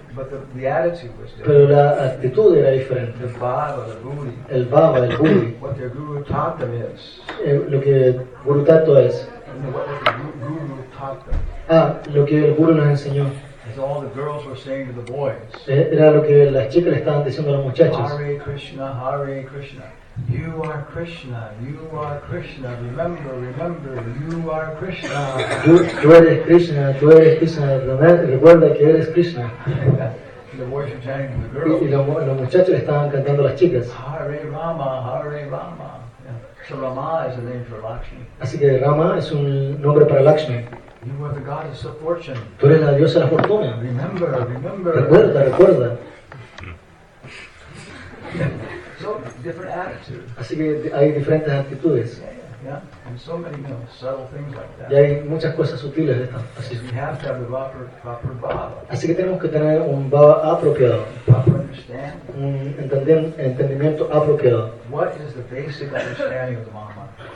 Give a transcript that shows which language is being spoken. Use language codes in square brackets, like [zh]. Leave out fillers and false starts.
[en] But the attitude was different. [es] Pero la actitud era diferente. [en] The bhava, the buddhi. [es] El bhava, el buddhi. [en] What their guru taught them is. [es] Lo que guru tato es. [en] What the guru taught them. [es] Ah, lo que el guru nos enseñó. [en] As all the girls were saying to the boys. [es] Era lo que las chicas le estaban diciendo a los muchachos. [sa] Hare Krishna, Hare Krishna. [en] You are Krishna, you are Krishna, remember, remember, you are Krishna. [es] Tú eres Krishna, tú eres Krishna, recuerda que eres Krishna. Y los muchachos estaban cantando a las chicas. [sa] Hare Rama, Hare Rama. [en] So Rama is a name for Lakshmi. [es] Así que Rama es un nombre para Lakshmi. [en] You are the goddess of fortune. [es] Tú eres la diosa de la fortuna. [en] Remember, remember. [es] Recuerda, recuerda. [en] So different attitudes. [es] Así que hay diferentes actitudes. [en] Yeah, and so many, you know, subtle things like that. [es] Y hay muchas cosas sutiles de estas. Así que [en] have to have the proper bhava. [es] Así que tenemos que tener un bhava apropiado. [en] Proper understand. [es] Entendimiento apropiado. [en] What is the basic understanding of the Mahamantra?